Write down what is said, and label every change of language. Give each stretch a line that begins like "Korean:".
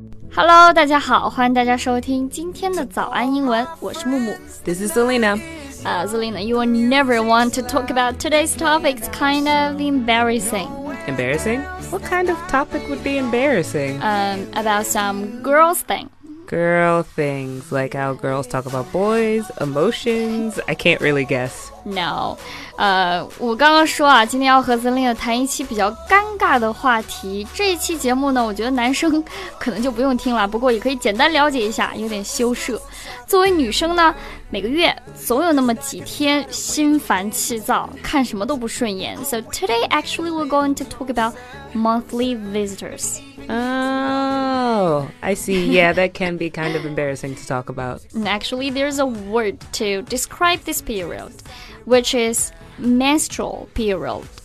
Chinese: Hello, 大家好，欢迎大家收听今天的早安英文，我是木木。
English: This is Selena. Selena, you will never want to talk about today's topic. It's kind of embarrassing. Embarrassing? What kind of topic would be embarrassing? About some girls thing. Girl things, like how girls talk about boys, emotions, I can't really guess.
Chinese: No. 我刚刚说啊，今天要和 Selina 谈一期比较尴尬的话题。这一期节目呢，我觉得男生可能就不用听了，不过也可以简单了解一下，有点羞涩。作为女生呢，每个月总有那么几天心烦气躁，看什么都不顺眼。
English: So today actually we're going to talk about monthly visitors. Oh, I see. Yeah, that can be kind of embarrassing to talk about. Actually, there's a word to describe this period, which is menstrual period.